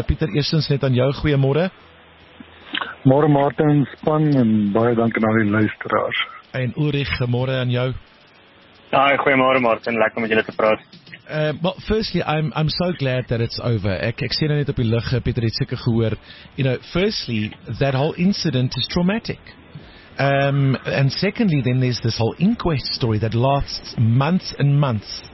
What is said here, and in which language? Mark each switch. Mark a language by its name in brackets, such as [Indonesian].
[Afrikaans] Pieter, eerstens net aan jou, goeiemôre. Môre Martin, span, en baie dankie aan die luisteraars. En Ulrich, môre aan jou. Hi, goeiemôre Martin, lekker om met julle te praat. [English] Well, firstly, I'm so glad that it's over. [Afrikaans] Ek sien net op die lig, Pieter het seker gehoor. [English] You know, firstly, that whole incident is traumatic. And secondly, then there's this whole inquest story that lasts months and months.